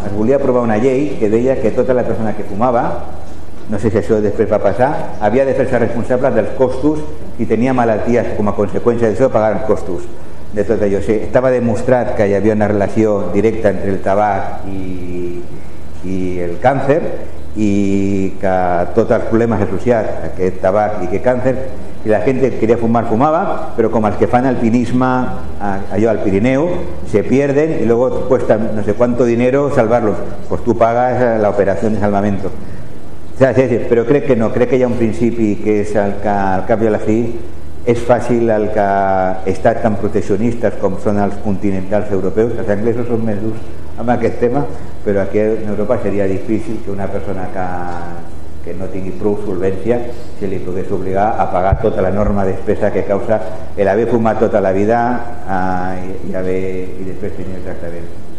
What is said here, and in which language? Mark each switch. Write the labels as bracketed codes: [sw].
[ca] es volia aprovar una llei que deia que tota la persona que fumava, no sé si això després va passar, havia de fer-se responsable dels costos i tenia malalties com a conseqüència d'això, pagar els costos de tot allò. O sigui, estava demostrat que hi havia una relació directa entre el tabac i el càncer, i que tots els problemes associats a aquest tabac i aquest càncer, i la gent que volia fumar, fumava, però com els que fan alpinisme allò al Pirineu, [es] se pierden i luego cuesta no sé cuánto dinero salvarlos. Pues tú pagas la operación de salvamento. [ca] Sí, però crec que no, crec que hi ha un principi que és el que al cap i a la fi és fàcil el que està tan proteccionistes com són els continentals europeus, els anglesos són més durs amb aquest tema, però aquí en Europa seria difícil que una persona que no tingui prou solvència se li pogués obligar a pagar tota la norma despesa que causa el haver fumat tota la vida i després tenir el tractament.